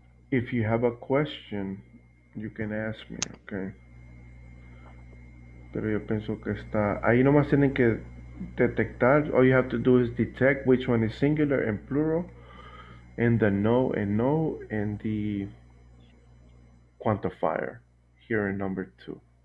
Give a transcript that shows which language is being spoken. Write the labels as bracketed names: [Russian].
[English] If you have a question, you can ask me, okay? [Spanish] Pero yo pienso que está ahí nomás tienen que detectar. [English] All you have to do is detect which one is singular and plural, and the no and no, and the quantifier here in number two.